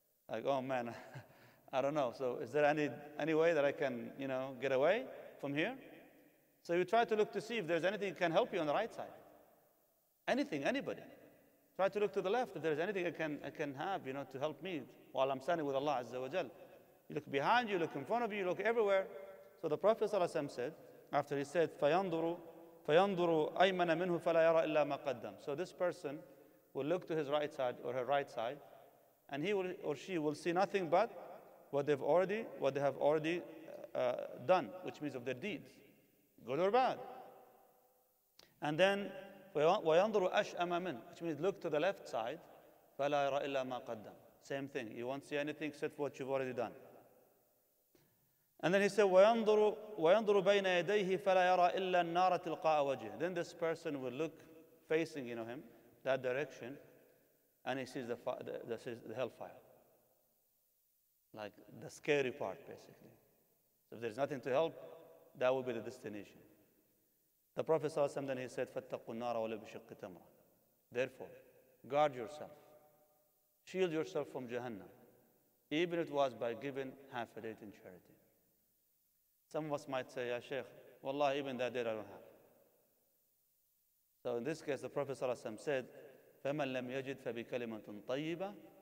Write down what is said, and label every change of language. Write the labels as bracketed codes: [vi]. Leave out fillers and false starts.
[en] Like, oh man, I don't know. So is there any way that I can, you know, get away from here? So you try to look to see if there's anything that can help you on the right side. Anything, anybody. Try to look to the left if there's anything I can have, you know, to help me while I'm standing with Allah Azza wa Jal. You look behind you, look in front of you, look everywhere. So the Prophet said, after he said, [ar] فَيَنْضُرُ أَيْمَنَ مِنْهُ فَلَا يَرَى إِلَّا مَا قَدَّمْ. [en] So this person will look to his right side or her right side, and he will, or she will see nothing but what they have already done, which means of their deeds, good or bad. And then, [ar] وَيَنْضُرُ أَشْأَمَ مِنْ, [en] which means look to the left side, [ar] فَلَا يَرَى إِلَّا مَا قَدَّمْ. [en] Same thing, you won't see anything except what you've already done. And then he said, [ar] وَيَنْضُرُ بَيْنَ يَدَيْهِ فَلَا يَرَى إِلَّا النَّارَ تِلْقَاءَ وَجِهِ. [en] Then this person will look facing, you know, him, that direction, and he sees the hellfire. Like the scary part, basically. So if there's nothing to help, that will be the destination. The Prophet ﷺ, then he said, [ar] فَاتَّقُوا النَّارَ وَلَا بِشِقِّ تَمْرَ. [en] Therefore, guard yourself. Shield yourself from Jahannam, even if it was by giving half a date in charity. Some of us might say, Ya Shaykh, wallah, even that date I don't have. So in this case, the Prophet ﷺ said, [ar] فَمَنْ لَمْ يَجِدْ فَبِكَلِمَةٌ طَيِّبَةٌ.